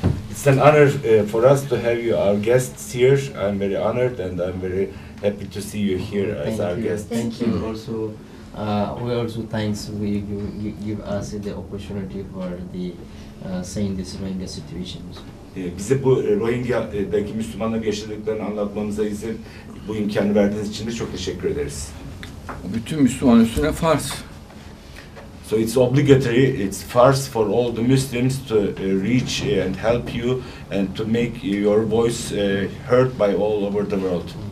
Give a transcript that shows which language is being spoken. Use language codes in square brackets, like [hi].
[en] It's an honor for us to have you our guests here. I'm very honored and I'm very happy to see you here as thank our you. Guests. Thank you. Also, we also thanks you give us the opportunity for the saying this Rohingya situation. [tr] Bize bu Rohingya'daki Müslümanların yaşadıklarını anlatmamıza izin bu imkanı verdiğiniz için de çok teşekkür ederiz. Bütün Müslüman üstüne farz. [en] So it's obligatory, it's farz for all the Muslims to reach and help you and to make your voice heard by all over the world.